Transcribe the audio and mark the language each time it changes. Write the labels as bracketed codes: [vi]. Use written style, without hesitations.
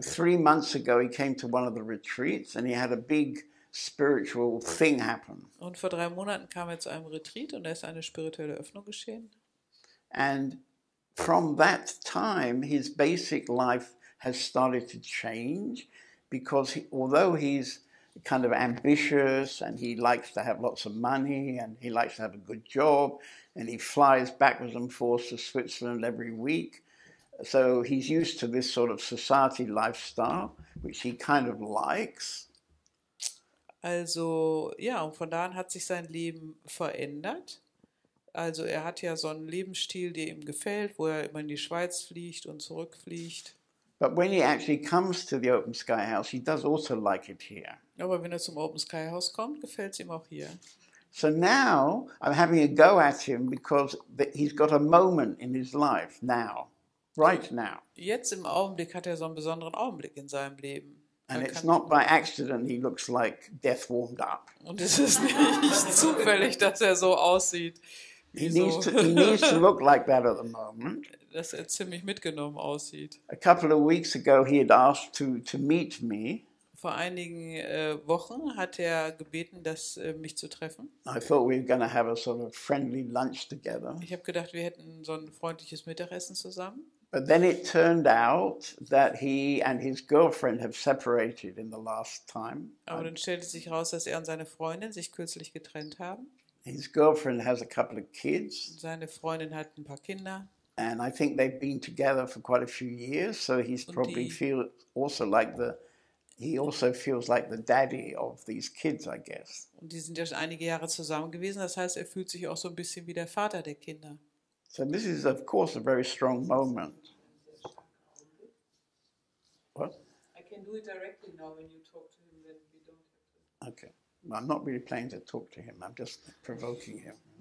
[en] 3 months ago, he came to one of the retreats, and he had a big spiritual thing happen. [de] Und vor 3 Monaten kam er zu einem Retreat, und da ist eine spirituelle Öffnung geschehen. [en] And from that time, his basic life has started to change, because although he's kind of ambitious and he likes to have lots of money and he likes to have a good job and he flies backwards and forwards to Switzerland every week, so he's used to this sort of society lifestyle, which he kind of likes. [de] Also, ja, und von da an hat sich sein Leben verändert. Also er hat ja so einen Lebensstil, der ihm gefällt, wo er immer in die Schweiz fliegt und zurückfliegt. [en] But when he actually comes to the Open Sky House, he does also like it here. [de] Aber wenn er zum Open Sky House kommt, gefällt's ihm auch hier. [en] So now I'm having a go at him because he's got a moment in his life now, right now. [de] Jetzt im Augenblick hat er so einen besonderen Augenblick in seinem Leben. [en] And it's not by accident he looks like death warmed up. [de] Und es ist nicht zufällig, dass er so aussieht. [en] He needs to look like that at the moment. [de] Dass er ziemlich mitgenommen aussieht. [en] A couple of weeks ago he had asked to meet me. [de] Vor einigen Wochen hat er gebeten, dass mich zu treffen. [en] I thought we were going to have a sort of friendly lunch together. [de] Ich habe gedacht, wir hätten so ein freundliches Mittagessen zusammen. [en] But then it turned out that he and his girlfriend have separated in the last time. [de] Aber dann stellte sich heraus, dass er und seine Freundin sich kürzlich getrennt haben. [en] His girlfriend has a couple of kids. [de] Seine Freundin hat ein paar Kinder. [en] And I think they've been together for quite a few years, so he's probably feels like the daddy of these kids, I guess. [de] Und die sind ja schon einige Jahre zusammen gewesen, das heißt, er fühlt sich auch so ein bisschen wie der Vater der Kinder. [en] So this is of course a very strong moment. What? I can do it directly now when you talk to him, then we don't have to. Okay. Well, I'm not really planning to talk to him, I'm just provoking him.